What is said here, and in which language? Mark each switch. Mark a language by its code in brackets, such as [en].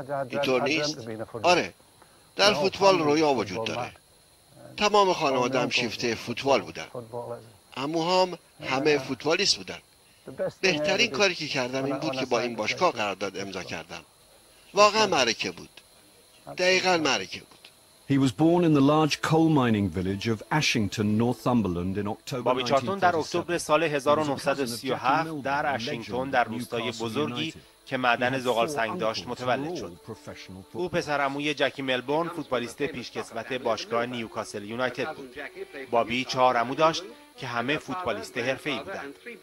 [fa] اینطور نیست؟ آره، در فوتبال رویا وجود داره. تمام خانواده هم شیفته فوتبال بودن. عموهام همه فوتبالیست بودن. بهترین کاری که کردم این بود که با این باشگاه قرارداد امضا کردم. واقعا معرکه بود. دقیقا معرکه بود. [en] He was born in the large coal mining village of Ashington, Northumberland in October 1937. [fa] بابی چارتون در اکتبر سال 1937 در اشینگتون در روستای بزرگی که معدن زغال سنگ داشت متولد شد. او پسر عموی جکی ملبورن فوتبالیست پیشکسوت باشگاه نیوکاسل یونایتد بود. بابی چهار عمو داشت که همه فوتبالیست حرفه‌ای بودند.